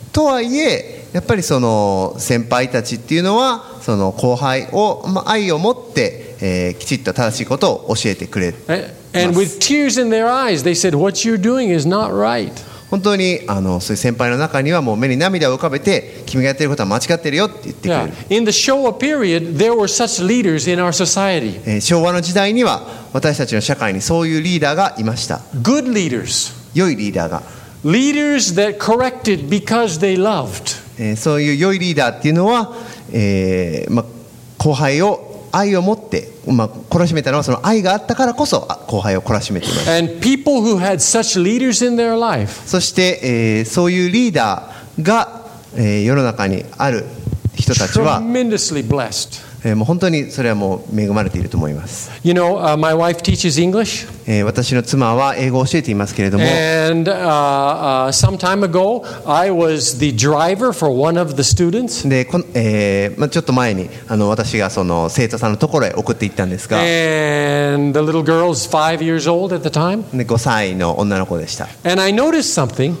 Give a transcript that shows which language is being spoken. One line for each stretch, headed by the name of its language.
Japanese: とはいえ。やっぱりその先輩たちっていうのはその後輩を愛を持って、きちっと正しいことを教えてくれます。
English: And with tears in their eyes, they said, "What you're doing is not right."
Japanese: 本当にあのそういう先輩の中にはもう目に涙を浮かべて、君がやってることは間違ってるよって言ってくれる。
English: Yeah. In the Showa period, there were such leaders in our society.
Japanese: 昭和の時代には私たちの社会にそういうリーダーがいました。
English: Good leaders.
Japanese: 良いリーダーが。
English: Leaders that corrected because they loved.
Japanese: そういう良いリーダーっていうのは、まあ、後輩を愛を持って、まあ、懲らしめたのはその愛があったからこそ後輩を懲らしめています。
English: And people who had such leaders in their life.
Japanese: そして、そういうリーダーが、世の中にある人たちは
English: tremendously blessed.
Japanese: もう本当にそれはもう恵まれていると思います。
English: You know, my wife teaches English.
Japanese: 私の妻は英語を教えていますけれども。
English: And some time ago, I was the driver for one of the students.
Japanese: で、ちょっと前にあの私がその生徒さんのところへ送っていったんですが。
English: And the little girl's 5 years old at the time.
Japanese: で、5歳の女の子でした。
English: And I noticed something.